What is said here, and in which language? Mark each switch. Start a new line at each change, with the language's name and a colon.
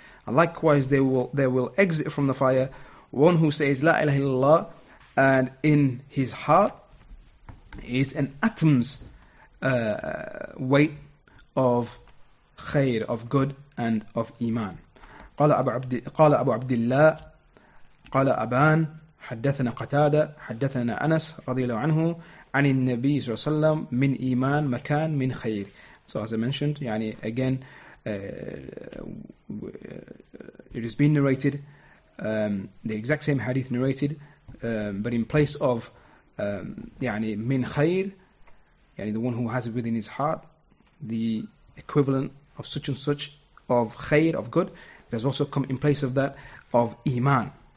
English: Likewise, they will exit from the fire, one who says
Arabic: لا إله إلا الله,
English: and in his heart is an atom's weight of خير, of good and of iman.
Arabic: قال أبو عبد الله قال أبان حدثنا قتادة حدثنا أنس رضي الله عنه عن النبي صلى الله عليه وسلم من إيمان مكان من خير.
English: So as I mentioned, يعني again, it has been narrated, the exact same hadith narrated, but in place of يعني
Arabic: من خير,
English: يعني the one who has it within his heart, the equivalent of such and such of خير, of good, it has also come in place of that of إيمان.